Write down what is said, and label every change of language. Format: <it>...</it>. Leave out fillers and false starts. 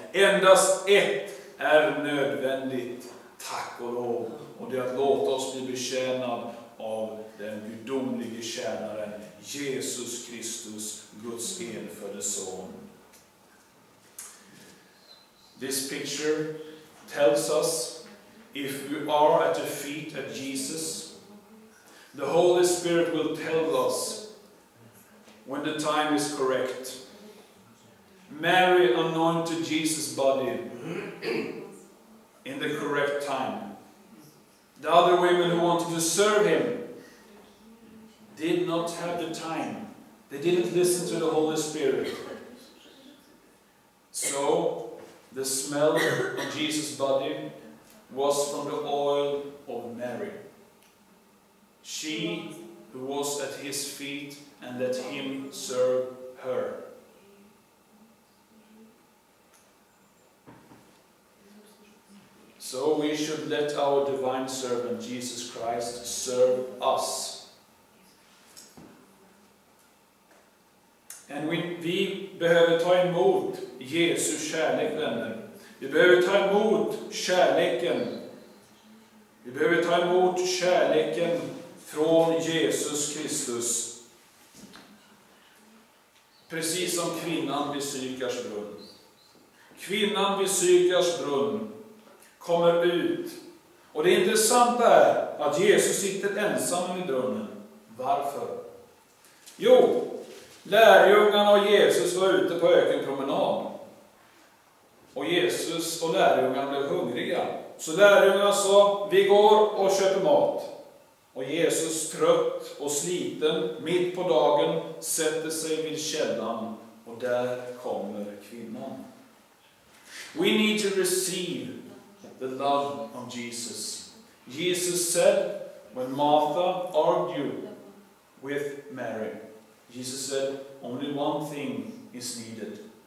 <sv>Endast ett är nödvändigt, tack och lov, och det är att låta oss bli betjänad av den gudomlige tjänaren Jesus Kristus, Guds enfödde son.</sv> <en>This picture tells us, if we are at the feet of Jesus, the Holy Spirit will tell us when the time is correct. Mary anointed Jesus' body in the correct time. The other women who wanted to serve him did not have the time. They didn't listen to the Holy Spirit. So the smell of Jesus' body was from the oil of Mary. She who was at his feet and let him serve her. So we should let our divine servant, Jesus Christ, serve us. And</en> <sv>vi behöver ta emot Jesu kärlek, vänner. Vi behöver ta emot kärleken. Vi behöver ta emot kärleken från Jesus Kristus. Precis som kvinnan vid Sykars brunn. Kvinnan vid Sykars brunn kommer ut. Och det intressanta är att Jesus sitter ensam i brunnen. Varför? Jo, lärjungarna och Jesus var ute på ökenpromenad. Och Jesus och lärjungarna blev hungriga. Så lärjungarna sa, vi går och köper mat. Och Jesus, trött och sliten, mitt på dagen, sätter sig vid källan. Och där kommer kvinnan.</sv> <en>We need to receive the love of Jesus. Jesus said, when Martha argued with Mary, Jesus said, only one thing is needed.</en>